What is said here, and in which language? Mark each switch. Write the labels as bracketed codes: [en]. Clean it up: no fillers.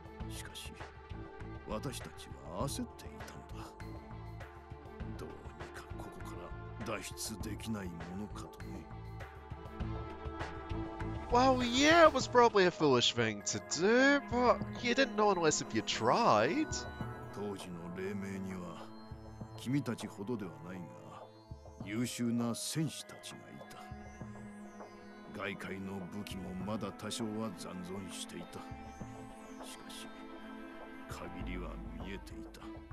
[ja] しかし私たちは焦っていたのだ。どうにかここから脱出できないものかとね。 [en] Well, yeah, it was probably a foolish thing to do, but you didn't know unless if you tried. [ja] 当時の黎明には君たちほどではないが、優秀な戦士たちがいた。外界の武器もまだ多少は残存していた。しかし、限りは見えていた。